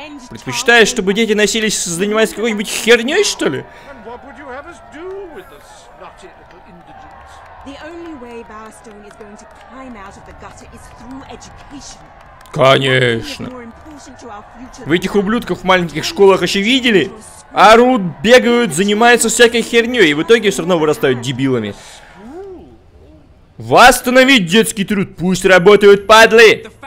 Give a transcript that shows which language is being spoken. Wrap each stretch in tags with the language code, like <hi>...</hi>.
<ru>Предпочитаешь, чтобы дети носились, занимались какой-нибудь херней, что ли?</ru> <en>And what would you have us do with the snotty little indigents? The only way Bowerstone is going to climb out of the gutter is through education.</en> <ru>Конечно. Вы этих ублюдков в маленьких школах еще видели? Орут, бегают, занимаются всякой херней, и в итоге все равно вырастают дебилами. Восстановить детский труд, пусть работают падлы!</ru>